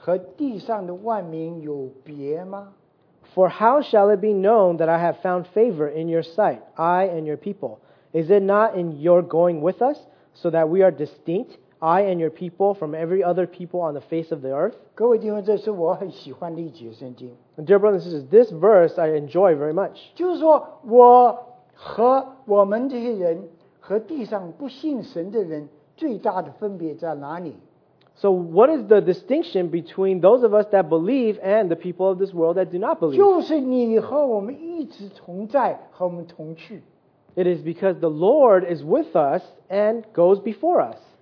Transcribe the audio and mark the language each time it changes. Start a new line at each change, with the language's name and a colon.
Chinese: 使我和你的百姓和地上的万民有别吗?
English: For how shall it be known that I have found favor in your sight, I and your people? Is it not in your going with us, so that we are distinct, I and your people, from every other people on the face of the earth?
Chinese: 各位弟兄，这是我很喜欢的一节圣经。
English: Dear brothers and sisters, this verse I enjoy very much.
Chinese: 就是说我和我们这些人和地上不信神的人最大的分别在哪里?
English: So what is the distinction between those of us that believe and the people of this world that do not believe?
Chinese: 就是你和我们一直同在和我们同去。
English: It is because the Lord is with us and goes before us.